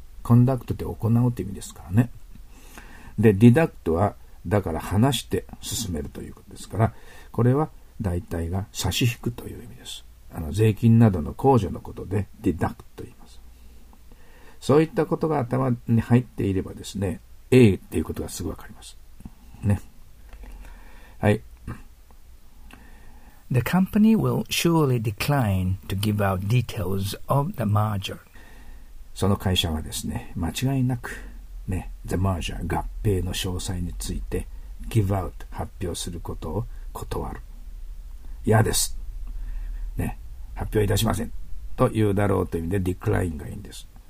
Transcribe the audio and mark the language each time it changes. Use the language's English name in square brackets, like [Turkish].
[Japanese] コンダクトって行うって意味ですからね。で、ディダクトはだから話して進めるということですから、これは大体が差し引くという意味です。あの税金などの控除のことでディダクトと言います。そういったことが頭に入っていればですね、 A っていうことがすぐ分かりますね。はい、 [English] The company will surely decline to give out details of the merger. [Japanese] その会社はですね、間違いなく、ね、 [English] the merger、 [Japanese] 合併の詳細について [English] give out、 [Japanese] 発表することを断る。嫌です、ね、発表いたしませんと言うだろうという意味で decline がいいんです。